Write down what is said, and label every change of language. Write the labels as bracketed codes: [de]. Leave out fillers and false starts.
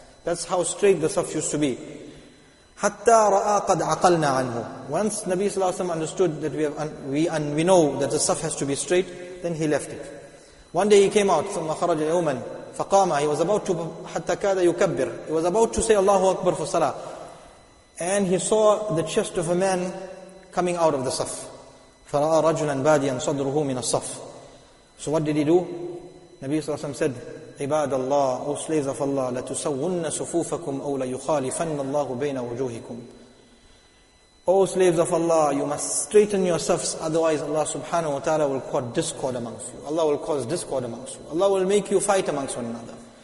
[en] That's how straight the safs used to be. [ar] حَتَّى رَآ قَدْ عَقَلْنَا عَنْهُ [en] Once Nabi ﷺ understood that we know that the saf has to be straight, then he left it. One day he came out, [ar] ثُمَّ خَرَجَ يَوْمًا فَقَامَ [en] He was about to, [ar] حَتَّى كَادَ يُكَبِّرْ [en] He was about to say Allahu Akbar for salah. And he saw the chest of a man coming out of the saf. [ar] فَرَآ رَجُلًا بَادِيًا صَدْرُهُ مِنَ الصَّفْ [en] So what did he do? Nabi ﷺ said, [ar] عِبَادَ اللَّهِ [en] O slaves of Allah, [ar] لَتُسَوُّنَّ صُفُوفَكُمْ أَوْ لَيُخَالِفَنَّ اللَّهُ بَيْنَ وَجُوهِكُمْ [en] O slaves of Allah, you must straighten your safs, otherwise Allah subhanahu wa ta'ala will cause discord amongst you. Allah will cause discord amongst you. Allah will make you fight amongst one another.